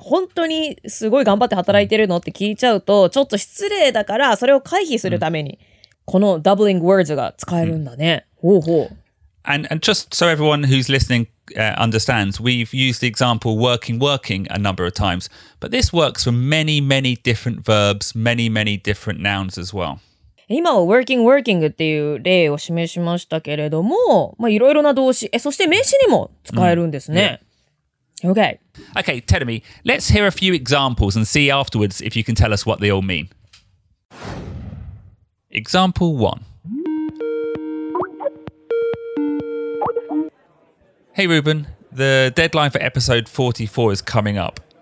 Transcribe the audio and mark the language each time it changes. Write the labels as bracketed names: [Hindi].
[Japanese] 本当にすごい頑張って働いてるのって聞いちゃうと、ちょっと失礼だから、それを回避するために、この doubling words が使えるんだね。ほうほう。 [English] And just so everyone who's listening understands, we've used the example working a number of times, but this works for many, many different verbs, many, many different nouns as well. [Japanese] 今は working っていう例を示しましたけれども、まあいろいろな動詞、そして名詞にも使えるんですね。 [English] Mm. Yeah. Okay. Okay, Terumi, let's hear a few examples and see afterwards if you can tell us what they all mean. Example one. Hey Ruben, the deadline for episode 44 is coming up.